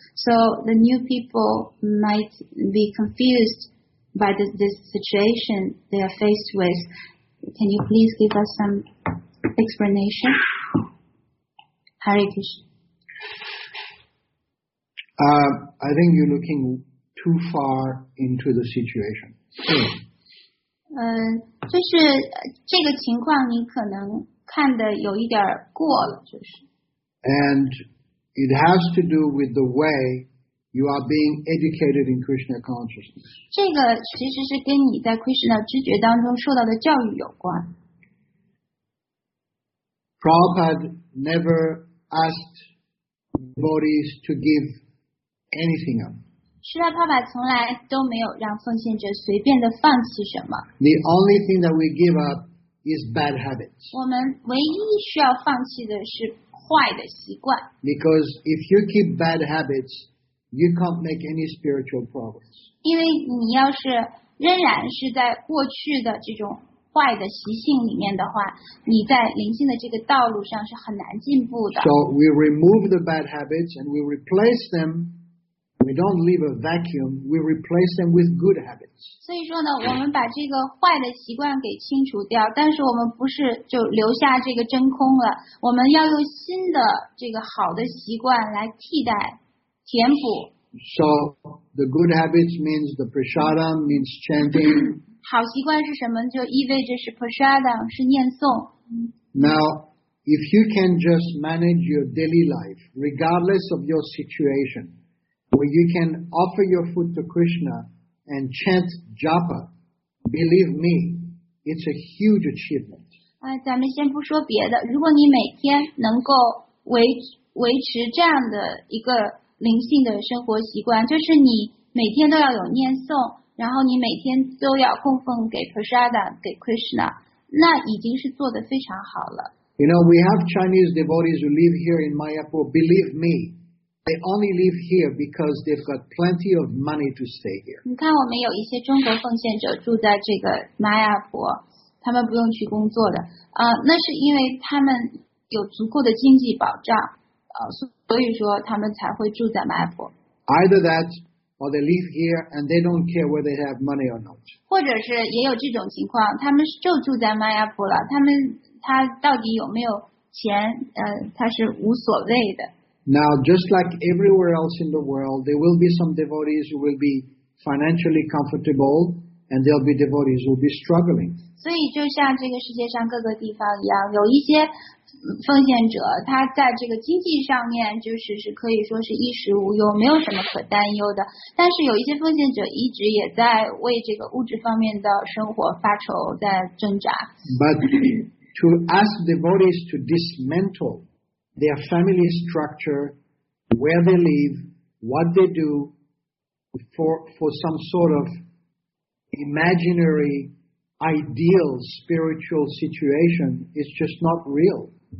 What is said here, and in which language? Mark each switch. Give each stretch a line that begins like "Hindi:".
English: So the new people might be confused by this situation they are faced with. Can you please give us some explanation? Hare Krishna. I think you're looking too far into the situation. Sure.
Chinese: 就是这个情况你可能看得有一点过了，就是。
English: And it has to do with the way you are being educated in Krishna consciousness.
Chinese: 这个其实是跟你在 Krishna 知觉当中受到的教育有关。
English: Prabhupada never asked devotees to give anything up.
Chinese: 释迦牟尼从来都没有让奉献者随便的放弃什么。
English: The only thing that we give up. Is bad habits.
Chinese: 我们唯一需要放弃的是坏的习惯。
English: Because if you keep bad habits, you can't make any spiritual progress.
Chinese: 因为你要是仍然是在过去的这种坏的习性里面的话，你在灵性的这个道路上是很难进步的。
English: So we remove the bad habits and we replace them. We don't leave a vacuum. We replace them with good habits.
Chinese: 所以说呢，我们把这个坏的习惯给清除掉，但是我们不是就留下这个真空了，我们要用新的这个好的习惯来替代、填补。
English: So the good habits means the prasada means chanting.
Chinese: 好习惯是什么？就意味着是 prasada， 是念诵。
English: Now, if you can just manage your daily life, regardless of your situation, where you can offer your food to Krishna.And chant japa, Believe me, it's a huge achievement.
Chinese: 咱们先不说别的，如果你每天能够维持这样的一个灵性的生活习惯，就是你每天都要有念诵，然后你每天都要供奉给 Prasada 给 Krishna， 那已经是做得非常好了。
English: You know, we have Chinese devotees who live here in Mayapur. Believe me, they only live here because they've got plenty of money to stay here.
Chinese: 你看，我们有一些中国奉献者住在这个 Mayapur， 他们不用去工作的。那是因为他们有足够的经济保障。所以说他们才会住在麦坡。
English: Either that, or they live here and they don't care whether they have money or not.
Chinese: 或者是也有这种情况，他们就住在麦坡了，他到底有没有钱，他是无所谓的。
English: Now, just like everywhere else in the world, there will be some devotees who will be financially comfortable, and there'll be devotees who will be struggling.
Chinese: 所以就像这个世界上各个地方一样，有一些。奉献者他在这个经济上面就是可以说是衣食无忧，没有什么可担忧的，但是有一些奉献者一直也在为这个物质方面的生活发愁，在挣扎。
English: But to ask devotees to dismantle their family structure, where they live, what they do for some sort of imaginary ideal spiritual situation is just not real.